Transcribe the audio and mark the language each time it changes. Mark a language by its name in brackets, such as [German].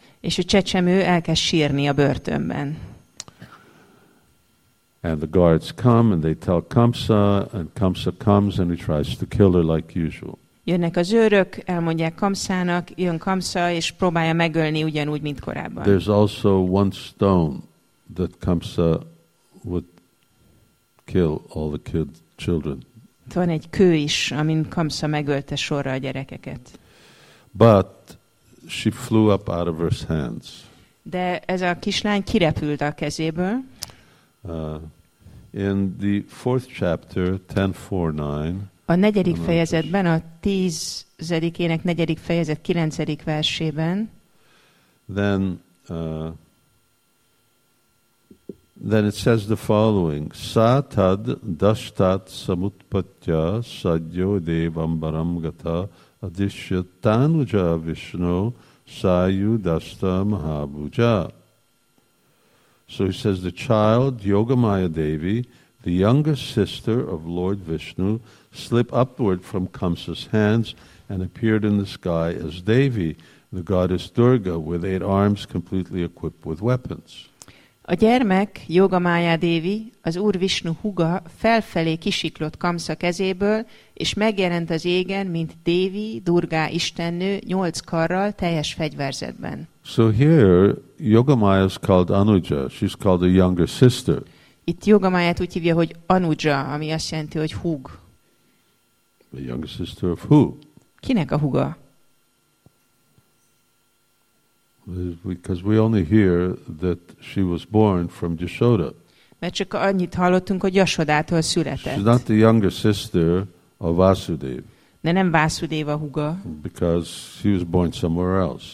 [Hungarian] És a csecsemő elkezd sírni a börtönben. [English] And the guards come and they tell Kamsa, and Kamsa comes and he tries to kill her like usual. [Hungarian] Jönnek az őrök, elmondják Kamsának, jön Kamsa és próbálja megölni ugyanúgy, mint korábban. [English] There's also one stone that Kamsa would kill all the kid children. [Hungarian] Van egy kő is, amin Kamsa megölte sorra a gyerekeket. [English] But she flew up out of her hands. [Hungarian] De ez a kislány kirepült a kezéből. [English] In the fourth chapter, 10.4.9. [Hungarian] A negyedik fejezetben, a tízedik ének negyedik fejezet kilencedik versében. [Sanskrit] Then it says the following: Satad dashtat samutpatya sadyo devambaram gata adishya tanuja vishnu sayu dasta mahabuja. [English] So he says, the child, Yogamaya Devi, the youngest sister of Lord Vishnu, slipped upward from Kamsa's hands and appeared in the sky as Devi, the goddess Durga, with eight arms completely equipped with weapons. [Hungarian] A gyermek, Yogamaya Devi, az Úr Vishnu húga, felfelé kisiklott Kamsa kezéből, és megjelent az égen, mint Devi, Durga istennő, nyolc karral, teljes fegyverzetben. [English] So here, Yogamaya is called Anuja. She's called a younger sister. [Hungarian] Itt Yogamayát úgy hívja, hogy Anuja, ami azt jelenti, hogy húg. [English] A younger sister of who? [Hungarian] Kinek a húga? [English] Because we only hear that she was born from Yashoda. [Hungarian] Mert csak annyit hallottunk, hogy Yashodától született. [English] She's not the younger sister of Vasudev. [Hungarian] De nem Vasudev a húga. [English] Because she was born somewhere else.